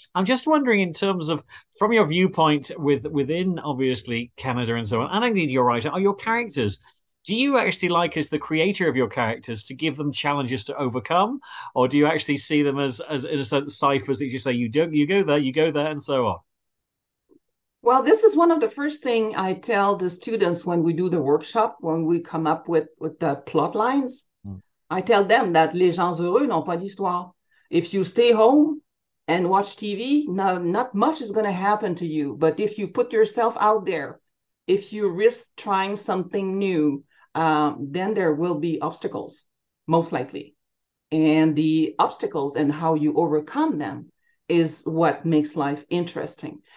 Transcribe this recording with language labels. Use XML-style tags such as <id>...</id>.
<en>I'm just wondering in terms of, from your viewpoint within, obviously, Canada and so on, and indeed your writer, are your characters, do you actually like, as the creator of your characters, to give them challenges to overcome? Or do you actually see them as in a sense, ciphers that you say, you go there, and so on? Well, this is one of the first things I tell the students when we do the workshop, when we come up with the plot lines. I tell them that</en> <fr>les gens heureux n'ont pas d'histoire.</fr> <en>If you stay home and watch TV, not much is going to happen to you. But if you put yourself out there, if you risk trying something new, then there will be obstacles, most likely. And the obstacles and how you overcome them is what makes life interesting.</en>